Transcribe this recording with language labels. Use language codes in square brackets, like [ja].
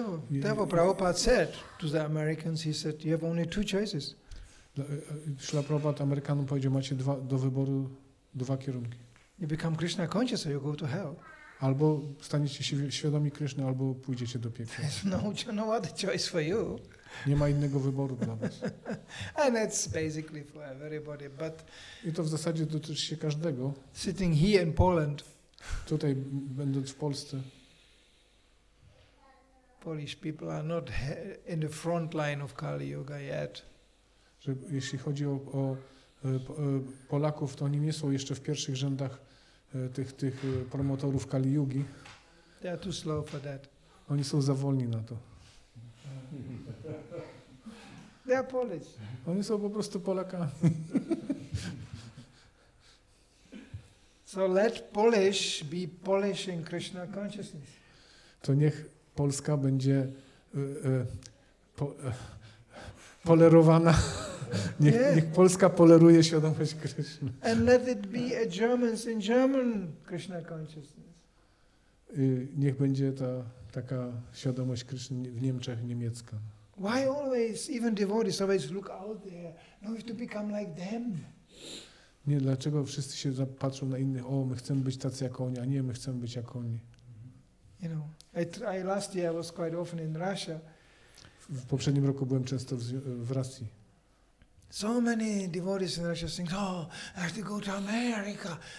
[en] Devo Prabhupada said to the Americans, he said, you have only two choices. [pl] Śla Prabhupada Amerykanom powiedział, macie do wyboru dwa kierunki. [en] You become Krishna conscious or you go to hell. [pl] Albo staniecie się świadomi Kryszny, albo pójdziecie do piekła. [en] There's no other choice for you. [pl] Nie ma innego wyboru dla was. [en] And that's basically for everybody, but... [pl] I to w zasadzie dotyczy się każdego. [en] Sitting here in Poland. [pl] Tutaj, będąc w Polsce. [en] Polish people are not in the front line of Kali Yuga yet. [pl] Że jeśli chodzi o Polaków, to oni nie są jeszcze w pierwszych rzędach tych promotorów Kali Yugi. [en] They are too slow for that. [pl] Oni są za wolni na to. [en] They are Polish. [pl] Oni są po prostu Polakami. [en] So let Polish be Polish in Krishna consciousness. [pl] To niech Polska będzie polerowana. Niech Polska poleruje świadomość Krishna. [en] And let it be a Germans in German Krishna consciousness. [pl] Niech będzie ta taka świadomość Krishna w Niemczech niemiecka. [en] Why always even devotees always look out there? No, we have to become like them. [pl] Nie, dlaczego wszyscy się patrzą na innych? O, my chcemy być tacy jak oni, a nie, my chcemy być jak oni. [en] You know, I last year I was quite often in Russia. [pl] W poprzednim roku byłem często w Rosji. [en] So many devotees in Russia think, oh, I have to go to America.